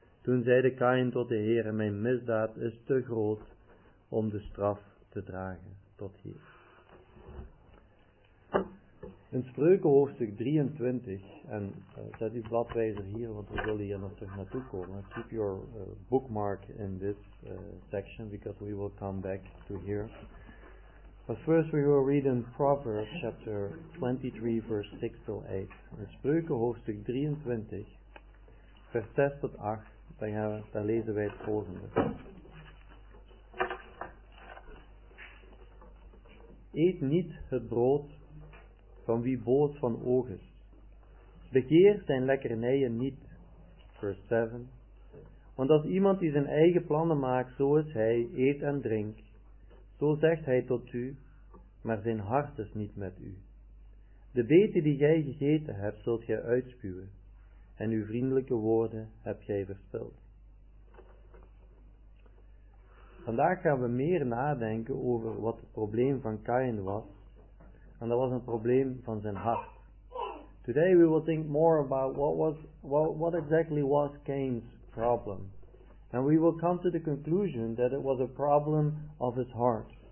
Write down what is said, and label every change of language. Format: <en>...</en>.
<nl>Toen zeide Cain tot de Heere, mijn misdaad is te groot om de straf te dragen. Tot hier. In Spreuken hoofdstuk 23, en zet uw bladwijzer hier, want we willen hier nog terug naartoe komen.</nl> <en>Keep your bookmark in this section, because we will come back to here. But first we will read in Proverbs chapter 23, verse 6 to 8.</en> <nl>In Spreuken hoofdstuk 23, vers 6 tot 8, daar lezen wij het volgende. Eet niet het brood van wie boos van oog is. Begeer zijn lekkernijen niet. Vers 7. Want als iemand die zijn eigen plannen maakt, zo is hij, eet en drink. Zo zegt hij tot u, maar zijn hart is niet met u. De beten die jij gegeten hebt, zult gij uitspuwen. En uw vriendelijke woorden heb jij verspild. Vandaag gaan we meer nadenken over wat het probleem van Kain was.</nl> <en>And that was a problem from his heart. Today we will think more about what exactly was Cain's problem. And we will come to the conclusion that it was a problem of his heart.</en>